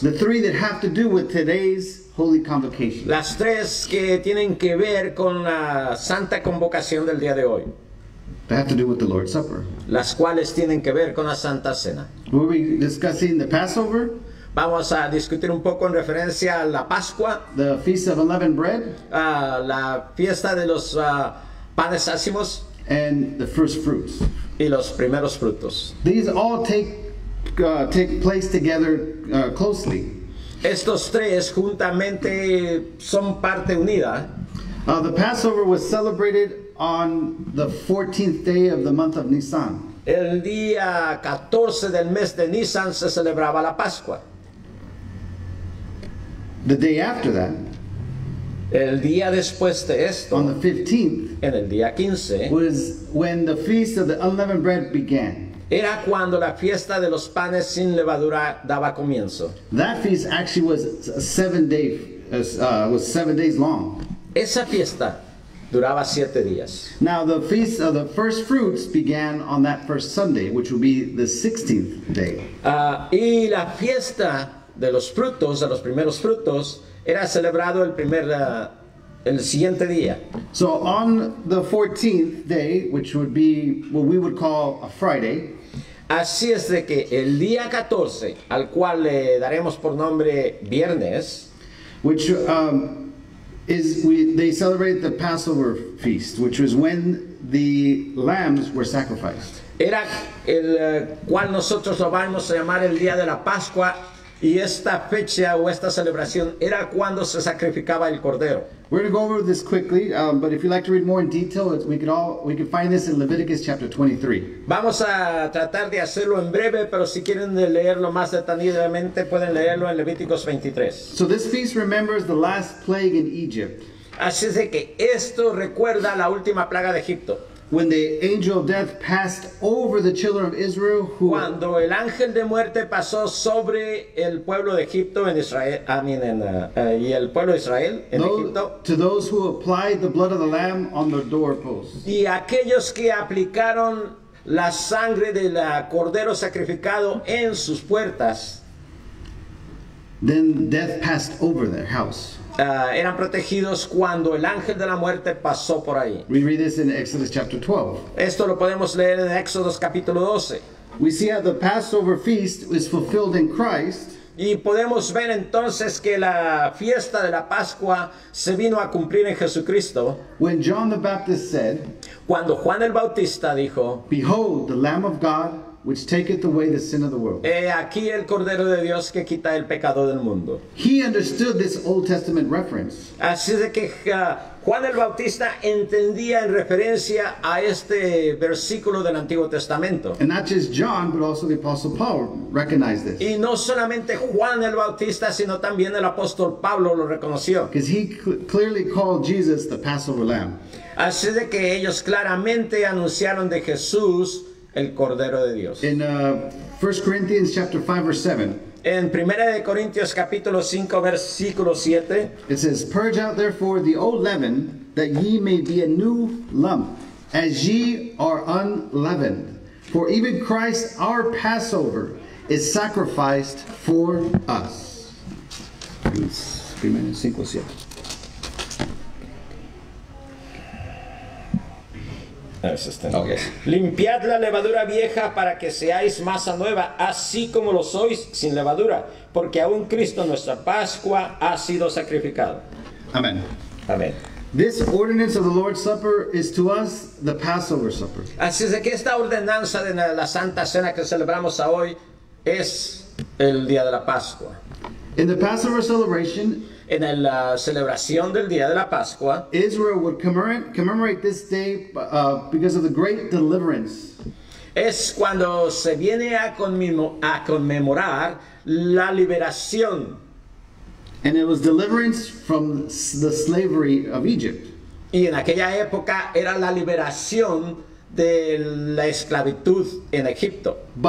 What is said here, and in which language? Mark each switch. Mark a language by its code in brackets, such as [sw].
[en] The three that have to do with today's holy convocation. [es] Las tres que tienen que ver con la santa convocación del día de hoy. [en] They have to do with the Lord's Supper. [es] Las cuales tienen que ver con la Santa Cena. [en] We'll be discussing the Passover. [es] Vamos a discutir un poco en referencia a la Pascua. [en] The Feast of Unleavened Bread. [es] La fiesta de los panes ácimos. [en] And the first fruits. [es] Y los primeros frutos. [en] These all take place together closely. [es] Estos tres juntamente son parte unida. [en] The Passover was celebrated on the 14th day of the month of Nisan. [es] El día 14 del mes de Nisan se celebraba la Pascua. [en] The day after that, [es] el día después de esto, [en] on the 15th, [es] en el día 15, [en] was when the feast of the unleavened bread began. [es] Era cuando la fiesta de los panes sin levadura daba comienzo. [en] That feast actually was seven days long. [es] Esa fiesta duraba 7 días. [en] Now the feast of the first fruits began on that first Sunday, which will be the 16th day. [es] Y la fiesta de los frutos, de los primeros frutos, era celebrado el siguiente día. [en] So on the 14th day, which would be what we would call a Friday. [es] Así es de que el día 14, al cual le daremos por nombre viernes, [en] which they celebrate the Passover feast, which was when the lambs were sacrificed. [es] Era el cual nosotros lo vamos a llamar el día de la Pascua, y esta fecha o esta celebración era cuando se sacrificaba el cordero. [en] We're going to go over this quickly, but if you'd like to read more in detail, we can find this in Leviticus chapter 23. [es] Vamos a tratar de hacerlo en breve, pero si quieren leerlo más detenidamente, pueden leerlo en Levíticos 23. [en] So this feast remembers the last plague in Egypt. [es] Así es de que esto recuerda la última plaga de Egipto. [en] When the angel of death passed over the children of Israel, who [es] cuando el ángel de muerte pasó sobre el pueblo de Egipto en Israel, y el pueblo de Israel en Egipto, [en] to those who applied the blood of the lamb on the doorposts, [es] y aquellos que aplicaron la sangre del cordero sacrificado en sus puertas, [en] then death passed over their house. [es] Eran protegidos cuando el ángel de la muerte pasó por ahí. [en] We read this in Exodus chapter 12. [es] Esto lo podemos leer en Éxodos capítulo 12. [en] We see how the Passover feast is fulfilled in Christ. [es] Y podemos ver entonces que la fiesta de la Pascua se vino a cumplir en Jesucristo. [en] When John the Baptist said, [es] cuando Juan el Bautista dijo, [en] behold, the Lamb of God, which taketh away the sin of the world. [es] He aquí el Cordero de Dios que quita el pecado del mundo. [en] He understood this Old Testament reference. [es] Así de que Juan el Bautista entendía en referencia a este versículo del Antiguo Testamento. [en] And not just John, but also the Apostle Paul recognized this. [es] Y no solamente Juan el Bautista, sino también el apóstol Pablo lo reconoció. [en] Because he clearly called Jesus the Passover Lamb. [es] Así de que ellos claramente anunciaron de Jesús el Cordero de Dios. [en] In 1 Corinthians chapter 5 verse 7. [es] En Primera de Corintios capítulo 5 versículo 7. [en] It says, "Purge out therefore the old leaven, that ye may be a new lump, as ye are unleavened. For even Christ our Passover is sacrificed for us." [es] Primera de 5 7. [en] Okay. [es] Limpiad la levadura vieja para que seáis masa nueva, así como lo sois sin levadura, porque aún Cristo nuestra Pascua ha sido sacrificado. Amen. Amen. [en] This ordinance of the Lord's Supper is to us the Passover Supper. [es] Así es que esta ordenanza de la Santa Cena que celebramos hoy es el día de la Pascua. [en] In the Passover celebration, [es] en la celebración del día de la Pascua, [en] Israel would commemorate this day because of the great deliverance. [es] Es cuando se viene a conmemorar la liberación. [en] And it was deliverance from the slavery of Egypt. [es] Y en aquella época era la liberación de la esclavitud en Egipto.